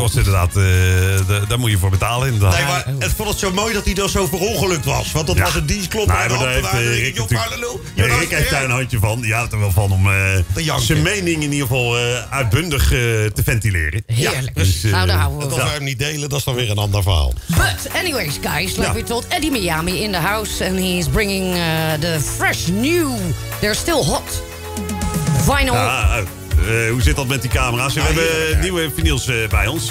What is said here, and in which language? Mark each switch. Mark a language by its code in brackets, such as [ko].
[nl] Kost inderdaad, daar moet je voor betalen inderdaad. Nee, maar het vond het zo mooi dat hij dan zo verongelukt was. Want dat was een dienstklopper. Nee, Rick heeft daar een handje van. Die houdt er wel van om zijn mening in ieder geval uitbundig te ventileren. Heerlijk. Ja, dus, nou, daar houden we dat wel. Dat we hem niet delen, dat is dan weer een ander verhaal. [en] But anyways, guys, like we told, Eddie Miami in the house. And he's bringing the fresh new, they're still hot, vinyl. [nl] Ja, hoe zit dat met die camera's? We hebben nieuwe vinyls bij ons.